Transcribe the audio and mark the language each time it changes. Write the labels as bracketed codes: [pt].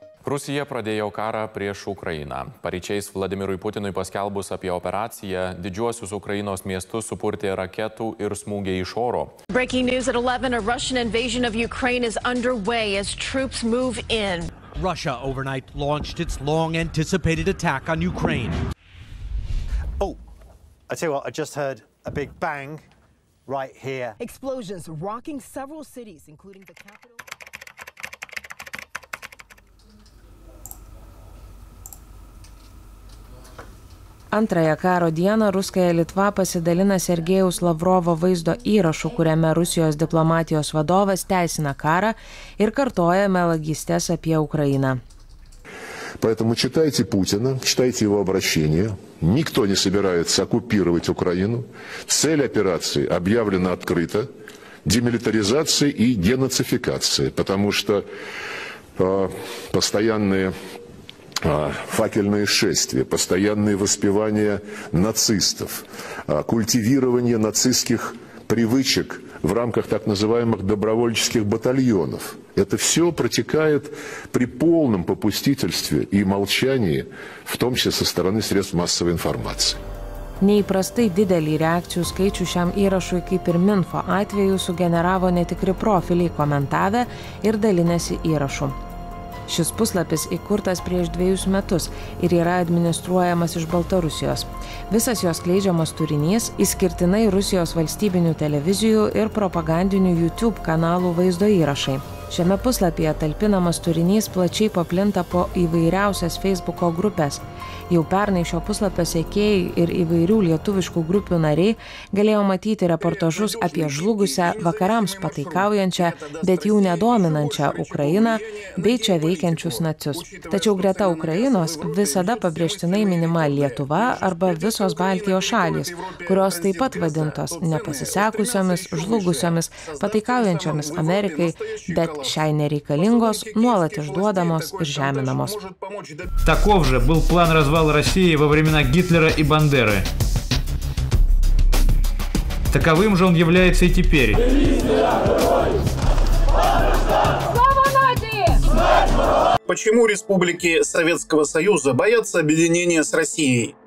[lt] Rusija pradėjo karą prieš Ukrainą. Paryčiais Vladimirui Putinui paskelbus apie operaciją, didžiuosius Ukrainos miestus supurtė raketų ir smūgiai iš oro. [en] Breaking news at 11, a Russian invasion of Ukraine is underway as troops move in. Russia overnight launched its long anticipated attack on Ukraine. Oh, I tell you what, I just heard a big bang right here. Explosions rocking several cities, including the capital. [lt] Antrąją karo dieną Ruskaja Litva pasidalina Sergejaus Lavrovo vaizdo įrašu, kuriame Rusijos diplomatijos vadovas teisina karą ir kartoja melagystes apie Ukrainą. [ru] Поэтому читайте Путина, читайте его обращение. Никто не собирается оккупировать Украину. Цель операции объявлена открыто: демилитаризация и денацификация, потому что постоянные факельное шествие, постоянное воспевание нацистов, культивирование нацистских привычек в рамках так называемых добровольческих батальонов. Это все протекает при полном попустительстве и молчании, в том числе со стороны средств массовой информации. [lt] Neįprastai didelį reakcijų skaičių šiam įrašui, kaip ir Minfo atveju, sugeneravo netikri profiliai komentavę ir dalinėsi įrašu. Šis puslapis įkurtas prieš 2 metus ir yra administruojamas iš Baltarusijos. Visas jos skleidžiamas turinys išskirtinai Rusijos valstybinių televizijų ir propagandinių YouTube kanalų vaizdo įrašai. Šiame puslapyje talpinamas turinys plačiai paplinta po įvairiausias Facebook'o grupės. Jau pernai šio puslapio sekėjai ir įvairių lietuviškų grupių nariai galėjo matyti reportažus apie žlugusią, vakarams pataikaujančią, bet jų nedominančią Ukrainą bei čia veikiančius nacius. Tačiau greta Ukrainos visada pabrėžtinai minima Lietuva arba visos Baltijos šalys, kurios taip pat vadintos nepasisekusiomis, žlugusiomis, pataikaujančiomis Amerikai, bet šiai nereikalingos, nuolat išduodamos ir žeminamos. Takovže buvo planas [ru] развал России во времена Гитлера и Бандеры. Таковым же он является и теперь. Слава нации! Почему республики Советского Союза боятся объединения с Россией?